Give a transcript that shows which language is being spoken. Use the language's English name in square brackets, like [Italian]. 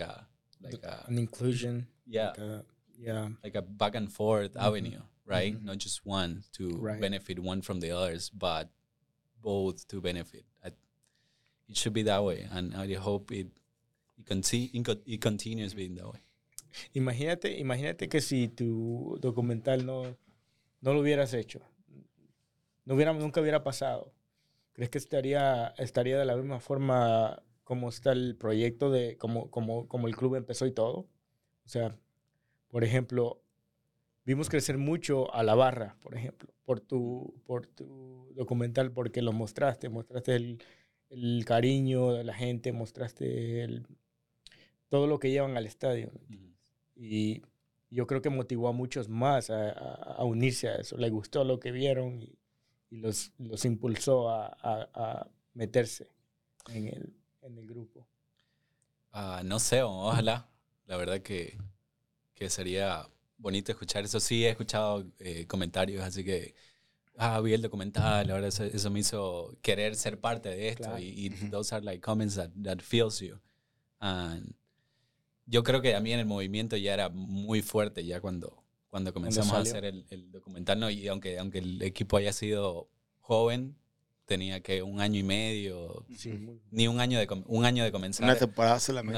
[English] an inclusion. Yeah. Like a back and forth avenue, right? Mm-hmm. Not just one to benefit one from the others, but both to benefit. It should be that way. And I hope it continues being that way. [Spanish] Imagínate que si tu documental no lo hubieras hecho, nunca hubiera pasado. ¿Crees que estaría de la misma forma como está el proyecto de como el club empezó y todo? O sea, por ejemplo, vimos crecer mucho a La Barra, por ejemplo, por tu documental, porque lo mostraste el cariño de la gente, mostraste el todo lo que llevan al estadio. Y yo creo que motivó a muchos más a unirse a eso. Les gustó lo que vieron y los impulsó a meterse en el grupo. No sé, ojalá. La verdad que sería bonito escuchar eso. Sí, he escuchado comentarios, así que vi el documental. Ahora eso me hizo querer ser parte de esto. Claro. [English] Y those are like comments that feels you. [Spanish] And yo creo que a mí en el movimiento ya era muy fuerte ya cuando comenzamos a hacer el documental, ¿no? Y aunque el equipo haya sido joven, tenía que un año y medio, ni un año de comenzar. Una temporada solamente.